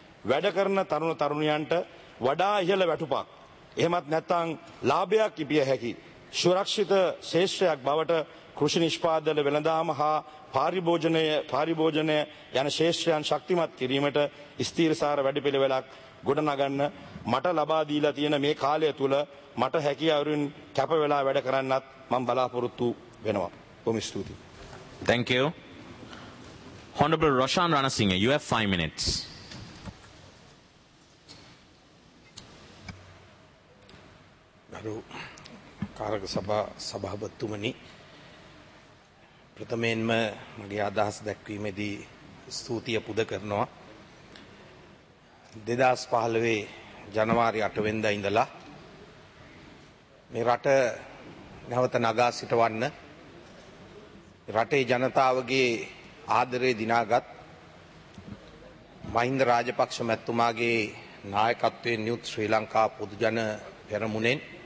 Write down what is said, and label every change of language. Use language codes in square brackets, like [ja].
[si] වැඩ කරන තරුණ තරුණියන්ට වඩා ඉහළ වැටුපක්, එහෙමත් නැත්නම් ලාභයක් ඉපිය හැකි සුරක්ෂිත ශ්‍රේෂ්ඨයක් බවට කෘෂි නිෂ්පාදන වෙළඳාම හා පාරිභෝජනය යන ශ්‍රේෂ්ඨයන් ශක්තිමත් කිරීමට ස්ථීරසාර වැඩපිළිවෙලක් ගොඩනගන්න මට ලබා දීලා තියෙන මේ කාලය තුළ මට හැකි අවුරුන් කැප වෙලා වැඩ කරන්නත් මම බලාපොරොත්තු වෙනවා. බොහොම ස්තුතියි. [en] Thank you. Honorable Roshan Ranasinghe, you have 5 minutes. [si] ගරු කාරක සභා සභාපතිතුමනි, ප්‍රථමයෙන්ම මගේ අදහස් දැක්වීමේදී ස්තුතිය පුද කරනවා. 2015 ජනවාරි 8 වෙනිදා ඉඳලා මේ රට නැවත නගා සිටවන්න රටේ ජනතාවගේ ආදරය දිනාගත් මහින්ද රාජපක්ෂ මැතිතුමාගේ නායකත්වයෙන් නියුත් ශ්‍රී ලංකා පොදුජන පෙරමුණෙන්